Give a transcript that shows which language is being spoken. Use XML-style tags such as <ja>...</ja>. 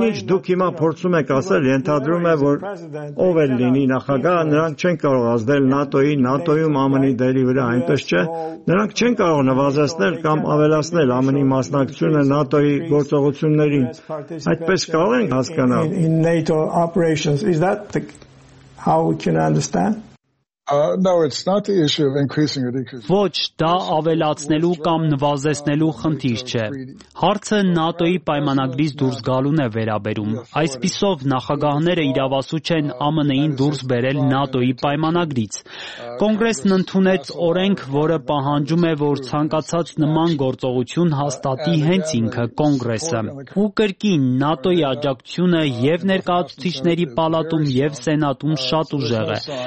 <hy>Այնինչ դուք հիմա փորձում եք ասել, ենթադրում եմ, որ ով է լինի նախագահ, նրանք չեն կարող ազդել ՆԱՏՕ-ի, ՆԱՏՕ-ում ԱՄՆ-ի դերի վրա, այնպես չէ։ Նրանք չեն կարող նվազեցնել կամ ավելացնել ԱՄՆ-ի մասնակցությունը ՆԱՏՕ-ի գործողություններին։ Այդպես կարող ենք հասկանալ։</hy> <en>In NATO operations, is that how we can understand?</en> <hy>Ոչ, դա ավելացնելու կամ նվազեցնելու խնդիր չէ։ Հարցը ՆԱՏՕ-ի պայմանագրից դուրս գալուն է վերաբերում։ Այսպիսով նախագահները իրավասուց են ԱՄՆ-ին դուրս բերել ՆԱՏՕ-ի պայմանագրից։ Կոնգրեսն ընդունեց օրենք, որը պահանջում է, որ ցանկացած նման գործողություն հաստատի հենց ինքը Կոնգրեսը։ Ու կրկին ՆԱՏՕ-ի աջակցությունը և ներկայացուցիչների պալատում և սենատում շատ ուժեղ է։</hy>